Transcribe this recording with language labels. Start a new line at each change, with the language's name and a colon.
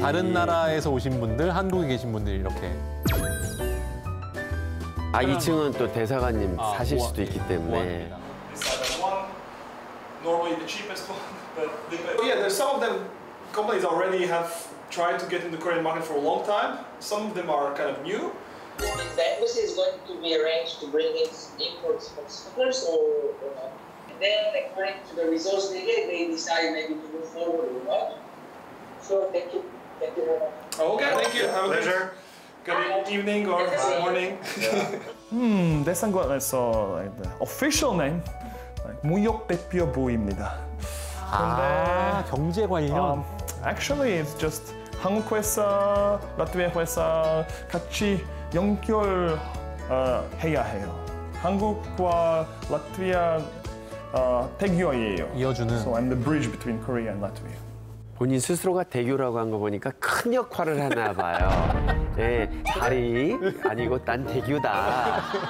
Korean: 다른 나라에서 오신 분들, 한국에 계신 분들 이렇게. 아, 2층은 또 대사관님 사실 수도 있기 때문에.
English: Normally the cheapest one, but yeah, there's some of them companies already have tried to get in the Korean market for a long time. Some of them are kind of new. The embassy is going to be arranged to bring in imports from smugglers or not. And then according to the resource they get, they decide maybe to move forward or not. So thank you. Thank you very much. Okay, thank you. Have a pleasure. Good evening or morning.
Korean: 대상관에서
English: like official name, like
Korean: 무역 대표부입니다. 아, 경제 관련.
English: Actually, it's just
Korean: 한국 회사, 라트비아 회사 같이 연결 해야 해요. 한국과 라트비아 대교예요. 이어주는.
English: So I'm the bridge between Korea and Latvia.
Korean: 본인 스스로가 대교라고 한 거 보니까 큰 역할을 하나 봐요. 네, 다리 아니고 딴 대교다.